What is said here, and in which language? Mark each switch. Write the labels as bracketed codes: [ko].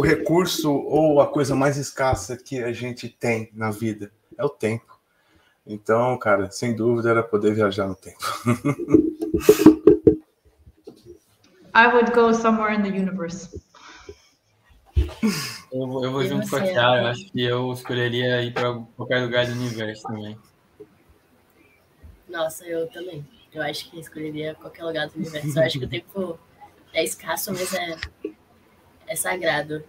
[pt] recurso ou a coisa mais escassa que a gente tem na vida? É o tempo. Então, cara, sem dúvida era poder viajar no tempo. [en] I would go somewhere in the universe. [pt] Eu vou junto com a Chiara, eu acho que eu escolheria ir para qualquer lugar do universo também. Nossa, eu também. Eu acho que escolheria qualquer lugar do universo. Eu acho que o tempo é escasso, mas é sagrado.